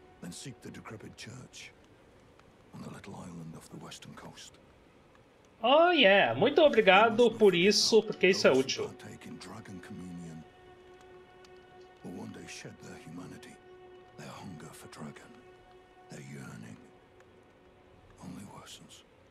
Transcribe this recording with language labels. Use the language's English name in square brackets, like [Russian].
[English] Seek the decrepit church on the little island off the western coast. Oh yeah, [Portuguese] muito obrigado por isso, porque isso é útil. [English] Taking dragon communion will one day shed their humanity, their hunger for dragon, their yearning only worsens.